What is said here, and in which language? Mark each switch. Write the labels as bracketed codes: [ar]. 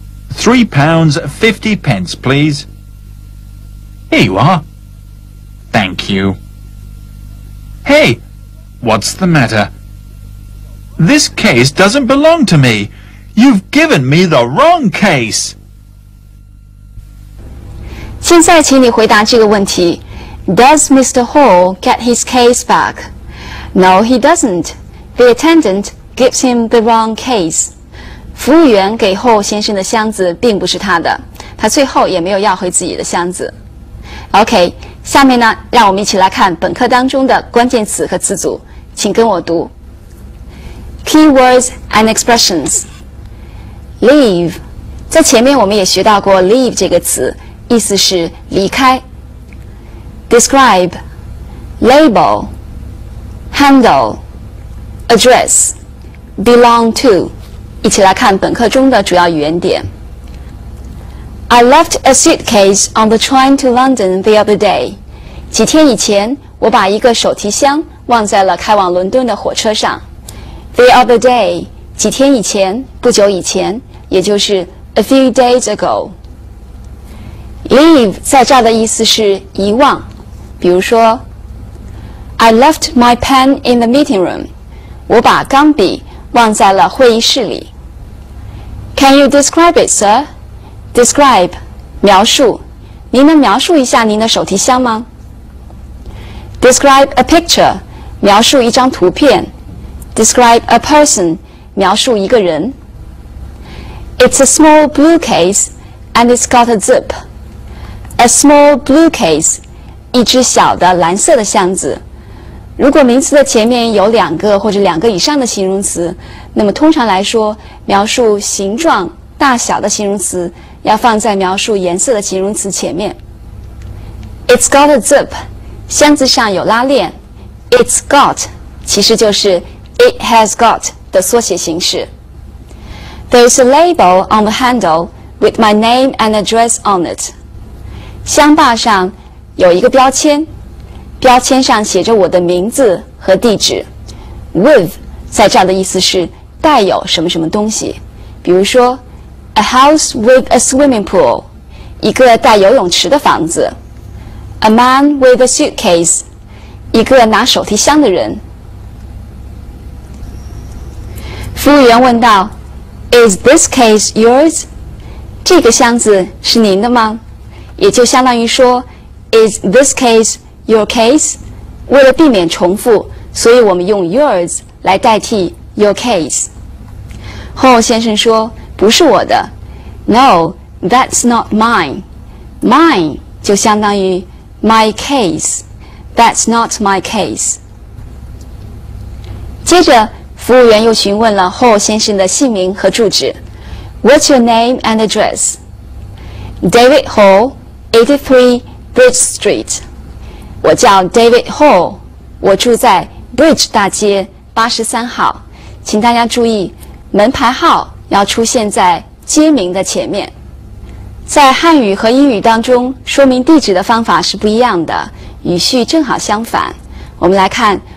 [en] £3.50, please. Here you are. Thank you. Hey, what's the matter? This case doesn't belong to me. You've given me the wrong case. [zh] 现在请你回答这个问题。 [en] Does Mr. Hall get his case back? No, he doesn't. The attendant gives him the wrong case. [zh] 服务员给 Hall 先生的箱子并不是他的，他最后也没有要回自己的箱子。 OK,下面呢，让我们一起来看本课当中的关键词和词组，请跟我读。 [en] Keywords and expressions. Leave. [zh] 在前面我们也学到过 leave 这个词，意思是离开。 [en] Describe. Label. Handle. Address. Belong to. [zh] 一起来看本课中的主要语言点。 [en] I left a suitcase on the train to London the other day. [zh] 几天以前，我把一个手提箱忘在了开往伦敦的火车上。 [en] The other day, [zh] 几天以前，不久以前，也就是 [en] a few days ago. [zh] Leave 在这儿的意思是遗忘，比如说 [en] I left my pen in the meeting room. [zh] 我把钢笔忘在了会议室里。 [en] Can you describe it, sir? [zh] Describe, 描述。您能描述一下您的手提箱吗？ [en] Describe a picture, [zh] 描述一张图片。 [en] Describe a person, [zh] 描述一个人。 [en] It's a small blue case and it's got a zip. A small blue case, [zh] 一只小的蓝色的箱子。如果名词的前面有两个或者两个以上的形容词，那么通常来说，描述形状、大小的形容词要放在描述颜色的形容词前面。 [en] It's got a zip. [zh] 箱子上有拉链 [en] It's got [zh] 其实就是 [en] It has got [zh] 的缩写形式 [en] There's a label on the handle with my name and address on it [zh] 箱把上有一个标签标签上写着我的名字和地址 With 在这儿的意思是带有什么什么东西比如说 [en] A house with a swimming pool [zh] 一个带游泳池的房子 [en] A man with a suitcase, [zh] 一个拿手提箱的人。服务员问道 [en] Is this case yours? [zh] 这个箱子是您的吗？也就相当于说 [en] Is this case your case? [zh] 为了避免重复，所以我们用 yours 来代替 your case。 Hall 先生说不是我的 [en] No, that's not mine. Mine [zh] 就相当于 [en] My case, that's not my case. [zh] 接着服务员又询问了 Hall 先生的姓名和住址。 [en] What's your name and address? David Hall, 83 Bridge Street. [zh] 我叫 David Hall, 我住在 Bridge 大街83号。请大家注意门牌号要出现在街名的前面。在汉语和英语当中说明地址的方法是不一样的语序正好相反我们来看